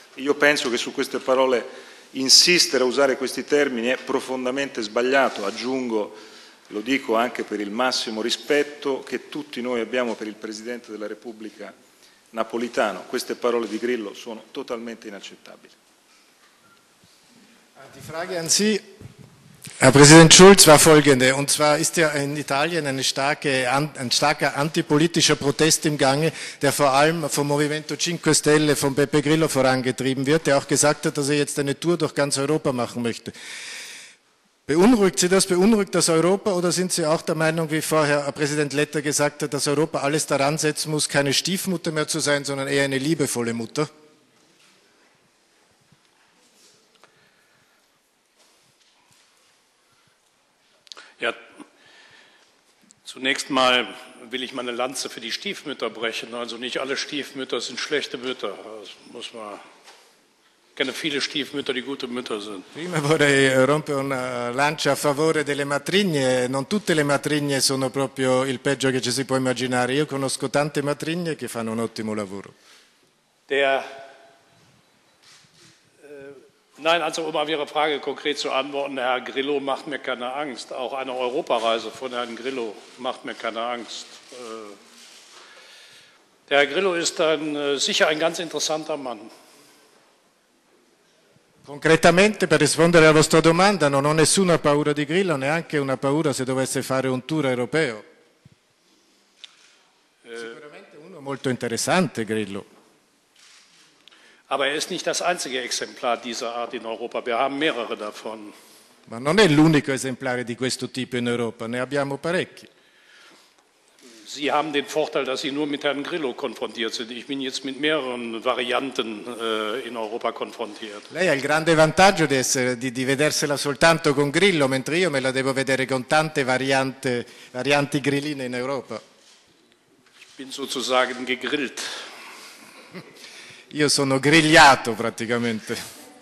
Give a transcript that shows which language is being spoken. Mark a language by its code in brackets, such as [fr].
[it] Io penso che su queste parole insistere a usare questi termini è profondamente sbagliato, aggiungo, lo dico anche per il massimo rispetto che tutti noi abbiamo per il Presidente della Repubblica Napolitano. Queste parole di Grillo sono totalmente inaccettabili. [de] Die Frage an Sie, Herr Präsident Schulz, war folgende. Und zwar ist ja in Italien ein starker antipolitischer Protest im Gange, der vor allem vom Movimento 5 Stelle, von Beppe Grillo vorangetrieben wird, der auch gesagt hat, dass er jetzt eine Tour durch ganz Europa machen möchte. Beunruhigt Sie das? Beunruhigt das Europa? Oder sind Sie auch der Meinung, wie vorher Präsident Letta gesagt hat, dass Europa alles daran setzen muss, keine Stiefmutter mehr zu sein, sondern eher eine liebevolle Mutter? Ja, zunächst mal will ich meine Lanze für die Stiefmütter brechen. Also nicht alle Stiefmütter sind schlechte Mütter. Das muss man... Ich kenne viele Stiefmütter, die gute Mütter sind. [it] Prima vorrei rompere una lancia a favore delle matrigne. Non tutte le matrigne sono proprio il peggio che ci si può immaginare. Io conosco tante matrigne che fanno un ottimo lavoro. [de] Nein, also um auf Ihre Frage konkret zu antworten, Herr Grillo macht mir keine Angst. Auch eine Europareise von Herrn Grillo macht mir keine Angst. Der Herr Grillo ist sicher ein ganz interessanter Mann. [it] Concretamente, per rispondere alla vostra domanda, non ho nessuna paura di Grillo, neanche una paura se dovesse fare un tour europeo. Sicuramente uno molto interessante, Grillo. [de] Aber er ist nicht das einzige Exemplar dieser Art in Europa, wir haben mehrere davon. [it] Ma non è l'unico esemplare di questo tipo in Europa, ne abbiamo parecchi. [de] Sie haben den Vorteil, dass Sie nur mit Herrn Grillo konfrontiert sind. Ich bin jetzt mit mehreren Varianten in Europa konfrontiert. [it] Lei ha il grande vantaggio di vedersela soltanto con Grillo, mentre io me la devo vedere con tante varianti grilline in Europa. [de] Ich bin sozusagen gegrillt. [it] Io sono grigliato praticamente.